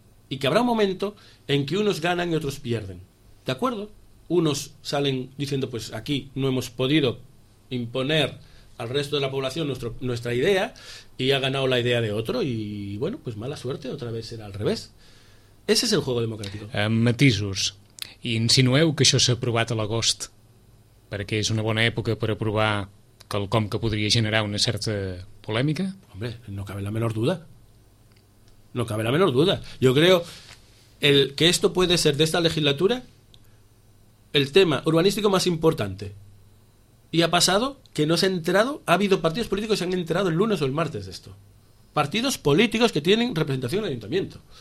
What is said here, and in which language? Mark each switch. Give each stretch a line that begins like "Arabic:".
Spanish: Y que habrá un momento en que unos ganan y otros pierden, ¿de acuerdo? Unos salen diciendo, pues aquí no hemos podido imponer al resto de la población nuestra idea y ha ganado la idea de otro, y bueno, pues mala suerte, otra vez será al revés. Ese es el juego democrático.
Catalan: Matisos, insinueu que això s'ha aprovat a l'agost perquè és una bona època per aprovar quelcom que podria generar una certa polèmica?
Spanish: Hombre, no cabe la menor duda. No cabe la menor duda. Yo creo que esto puede ser de esta legislatura el tema urbanístico más importante. Y ha pasado que no se ha enterado, ha habido partidos políticos que se han enterado el lunes o el martes de esto. Partidos políticos que tienen representación en el ayuntamiento.